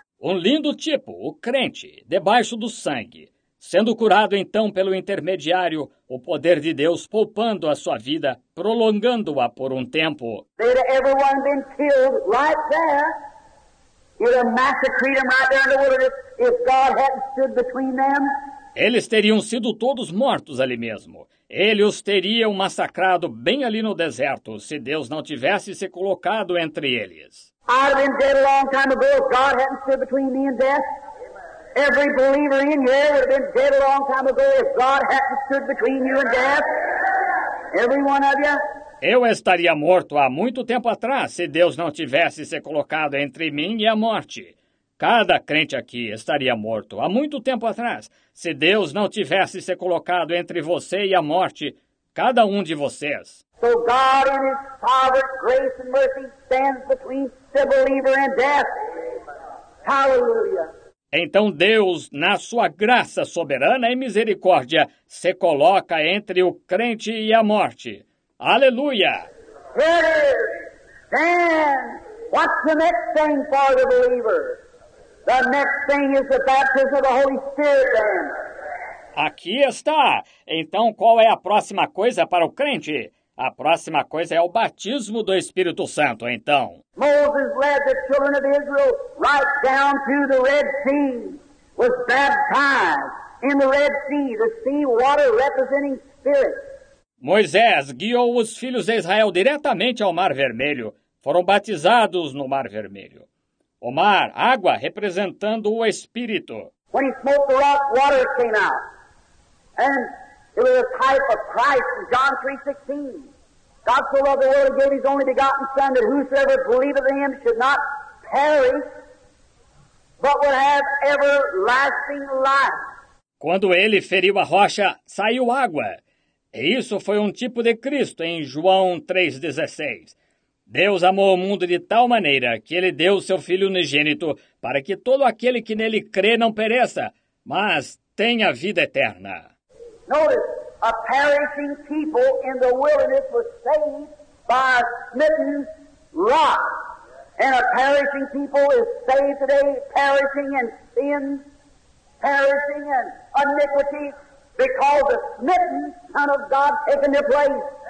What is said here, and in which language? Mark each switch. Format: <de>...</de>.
<pt>Um lindo tipo, o crente, debaixo do sangue, sendo curado então pelo intermediário, o poder de Deus poupando a sua vida, prolongando-a por um tempo.</pt> <en>Had everyone been killed right there, you'd have massacred them right there in the wilderness if God hadn't stood between them.</en> <pt>Eles teriam sido todos mortos ali mesmo. Ele os teria massacrado bem ali no deserto, se Deus não tivesse se colocado entre eles.</pt> <en>I'd have been dead a long time ago if God hadn't stood between me and death. Every believer in here would have been dead a long time ago if God hadn't stood between you and death. Every one of you.</en> <pt>Eu estaria morto há muito tempo atrás se Deus não tivesse se colocado entre mim e a morte. Cada crente aqui estaria morto há muito tempo atrás, se Deus não tivesse se colocado entre você e a morte, cada um de vocês.</pt> <en>So God, in his sovereign grace and mercy, stands between the believer and death. Hallelujah.</en> <pt>Então Deus, na sua graça soberana e misericórdia, se coloca entre o crente e a morte. Aleluia!</pt> <en>Here it is. Then, what's the next thing for the believer? The next thing is the baptism of the Holy Spirit, then.</en> <pt>Aqui está. Então, qual é a próxima coisa para o crente? A próxima coisa é o batismo do Espírito Santo, então.</pt> <en>Moses led the children of Israel right down to the Red Sea, was baptized in the Red Sea, the sea water representing Spirit.</en> <pt>Moisés guiou os filhos de Israel diretamente ao Mar Vermelho. Foram batizados no Mar Vermelho. O mar, água, representando o Espírito.</pt> <en>When he smote the rock, water came out. And it was a type of Christ in John 3:16. God so loved the world, he gave his only begotten Son, that whosoever believeth in him should not perish, but would have everlasting life.</en> <pt>Quando ele feriu a rocha, saiu água. E isso foi um tipo de Cristo em João 3,16. Deus amou o mundo de tal maneira que ele deu seu Filho unigênito para que todo aquele que nele crê não pereça, mas tenha vida eterna.</pt> <en>Notice, a perishing people in the wilderness was saved by a smitten rock. And a perishing people is saved today, perishing in sin, perishing in iniquity, because the smitten Son of God taken their place.</en>